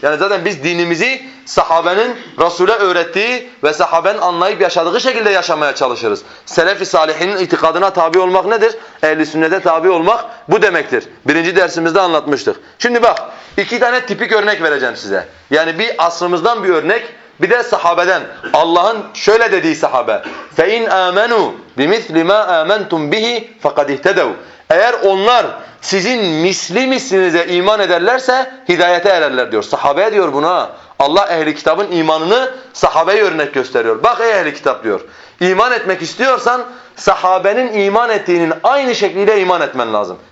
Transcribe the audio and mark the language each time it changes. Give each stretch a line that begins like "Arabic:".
Turkish: Yani zaten biz dinimizi sahabenin Resul'e öğrettiği ve sahabenin anlayıp yaşadığı şekilde yaşamaya çalışırız. Selefi Salihinin itikadına tabi olmak nedir? Ehli sünnete tabi olmak bu demektir. Birinci dersimizde anlatmıştık. Şimdi bak, iki tane tipik örnek vereceğim size. Yani bir asrımızdan bir örnek, bir de sahabeden. Allah'ın şöyle dediği sahabe:
Arabic: فَاِنْ آمَنُوا بِمِثْلِ مَا آمَنْتُمْ بِهِ فَقَدْ اِهْتَدَوْا.
Turkish: Eğer onlar sizin misli mislinize iman ederlerse hidayete ererler diyor. Sahabeye diyor buna. Allah ehli kitabın imanını sahabeye örnek gösteriyor. Bak ey ehli kitap diyor. İman etmek istiyorsan sahabenin iman ettiğinin aynı şekliyle iman etmen lazım.